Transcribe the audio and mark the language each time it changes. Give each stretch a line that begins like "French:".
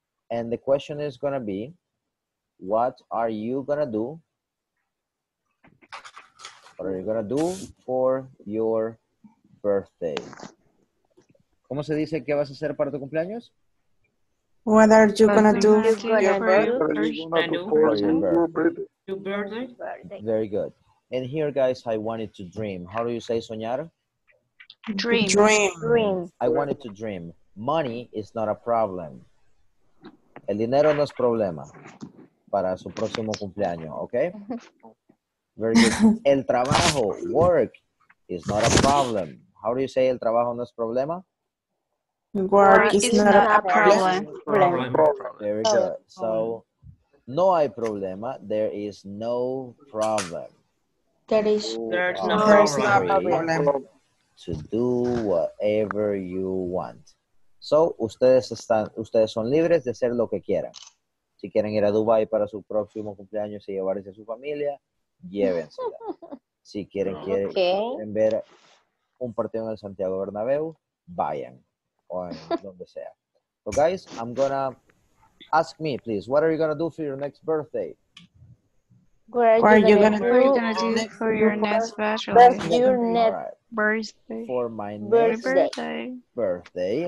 English: And the question is going to be, what are you going to do? What are you going to do for your birthday?
Spanish: ¿Cómo se dice qué vas a hacer para tu cumpleaños?
English: What are you going to do for your birthday? Very good. And here, guys, I wanted to dream. How do you say soñar? Dream. I wanted to dream. Money is not a problem.
Spanish: El dinero no es problema para su próximo cumpleaños,
English: okay? Very good.
Spanish: El trabajo,
English: work, is not a problem. How do you say
Spanish: el trabajo no es problema?
English: Work is not a problem. Very good. So,
Spanish: no hay problema.
English: There is no problem. There is no problem. To do whatever you want.
Spanish: So, ustedes están, ustedes son libres de hacer lo que quieran. Si quieren ir a Dubai para su próximo cumpleaños y llevarse a su familia, llévense. Si quieren, quieren, okay, quieren ver un partido en el Santiago Bernabéu, vayan. O en donde sea.
English: So, guys, I'm gonna ask me, please, what are you gonna do for your next birthday? What are you gonna do for your next birthday?